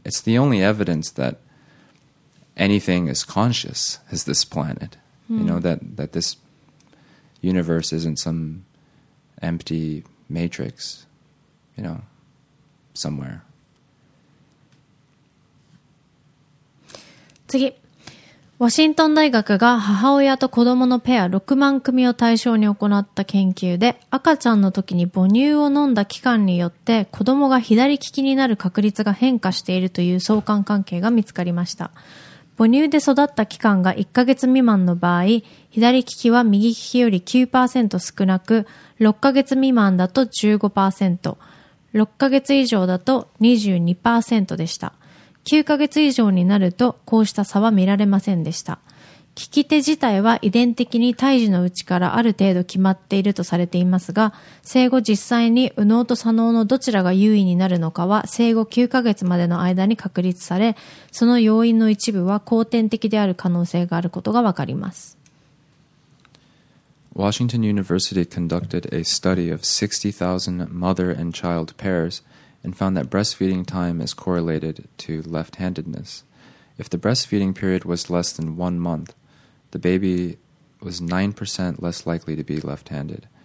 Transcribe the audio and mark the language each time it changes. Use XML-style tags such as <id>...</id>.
<en>It's the only evidence that anything is conscious is this planet, you know, that this universe isn't some empty matrix, you know, somewhere.</en> <ja>次、ワシントン大学が母親と子供のペア6万組を対象に行った研究で、赤ちゃんの時に母乳を飲んだ期間によって子供が左利きになる確率が変化しているという相関関係が見つかりました。母乳で育った期間が1ヶ月未満の場合、左利きは右利きより 9% 少なく、6ヶ月未満だと 15%、6ヶ月以上だと 22% でした。 9ヶ月以上になるとこうした差は見られませんでした。利き手自体は遺伝的に胎児のうちからある程度決まっているとされていますが、生後実際に右脳と左脳のどちらが優位になるのかは生後9ヶ月までの間に確立され、その要因の一部は後天的である可能性があることがわかります。</ja> <en>Washington University conducted a study of 60,000 mother and child pairsand found that breastfeeding time is correlated to left-handedness. If the breastfeeding period was less than 1 month, the baby was 9% less likely to be left-handed.</en>